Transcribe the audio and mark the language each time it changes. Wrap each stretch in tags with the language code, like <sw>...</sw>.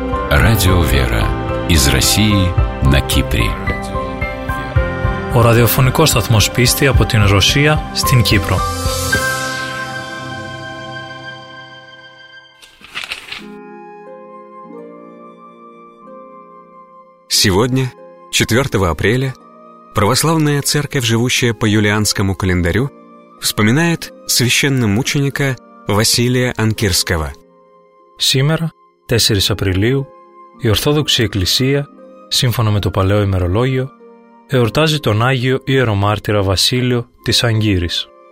<ru>Радио «Вера» из России на Кипре.</ru> <el>Ο ραδιοφωνικός σταθμός πίστη από την Ρωσία στην Κύπρο.</el> <ru>Сегодня, 4 апреля, православная церковь, живущая по юлианскому календарю, вспоминает священномученика Василия Анкирского. Сегодня,</ru> <el>4 апреля, η Ορθόδοξη Εκκλησία, σύμφωνα με το παλαιό ημερολόγιο, εορτάζει τον Άγιο Ιερομάρτυρα Βασίλειο της Αγκύρης.</el>